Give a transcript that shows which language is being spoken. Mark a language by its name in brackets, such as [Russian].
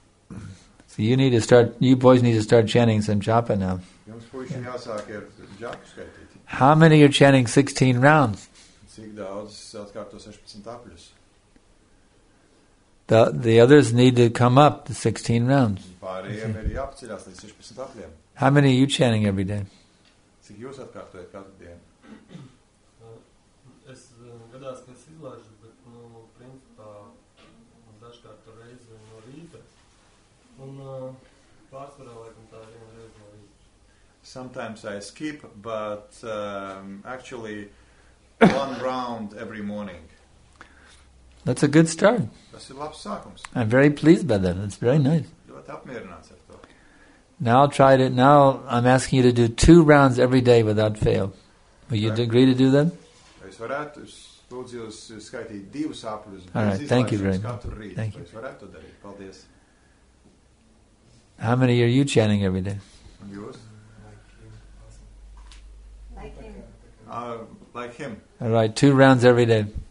[English] So you need to start, you boys need to start chanting some japa now. Yeah. How many are chanting 16 rounds? [Latvian] Cik daudz atkārto 16 apļus. [English] The others need to come up the 16 rounds. [Latvian] Pārējiem ir jāpaceļās līdz 16 apļiem. [English] How many are you chanting every day? [Latvian] Cik jūs atkārtojat katru dienu? Es gadās, ka es izlaižu, bet, nu, principā, dažkārt reizi no rīta. Un pārsvarā, laikam, tā viena reize no rīta. [English] Sometimes I skip, but actually one round every morning. That's a good start. [Latvian] Tas ir labs sākums. [English] I'm very pleased by that. That's very nice. [Latvian] Ļoti apmierināts ar to. [English] Now I'll try it. Now I'm asking you to do two rounds every day without fail. Will you agree to do that? [Latvian] Es varētu lūdzu jūs skaitīt divus apļus. [English] All right, thank you very much. Thank you. [Latvian] Es varētu to darīt. Paldies. [English] How many are you chanting every day? [Latvian] Jūs? [English] Like him. All right, two rounds every day.